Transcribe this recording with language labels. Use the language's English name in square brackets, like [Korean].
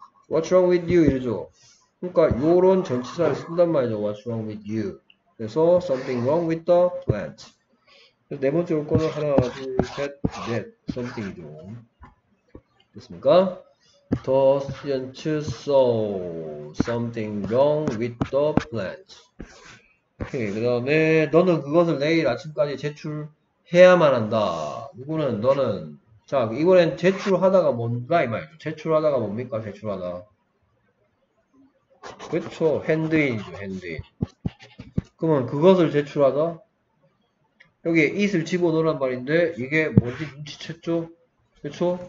[English] What's wrong with you? [Korean] 이러죠. 그러니까 요런 전치사를 쓴단 말이죠. [English] What's wrong with you? [Korean] 그래서 [English] something wrong with the plant. [Korean] 그래서 네 번째 요건은 하나, 둘, 셋, 넷. Something이죠. 됐습니까? [English] The student saw something wrong with the plant. [Korean] 오케이. 그 다음에, 너는 그것을 내일 아침까지 제출해야만 한다. 이거는 너는, 자, 이번엔 제출하다가 뭔가 이 말이죠. 제출하다가 뭡니까? 제출하다. 그쵸. 핸드인이죠. 핸드인. 그러면 그것을 제출하다? 여기에 it을 집어넣으란 말인데, 이게 뭔지 눈치챘죠? 그쵸?